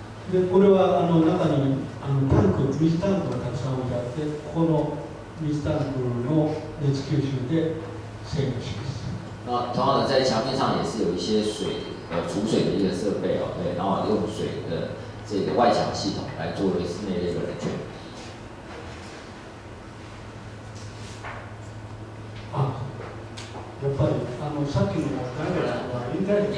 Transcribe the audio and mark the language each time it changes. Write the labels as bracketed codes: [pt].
[ja] でこれは中にタンク、水タンクがたくさん置いてあって、ここの水タンクの熱吸収で制御します。 [zh] 那同样的，在墙面上也是有一些水储水的一个设备哦，对，然后用水的这个外墙系统来作为室内的一个冷却。 [ja] 啊，やっぱりさっきのダイヤはインターネット。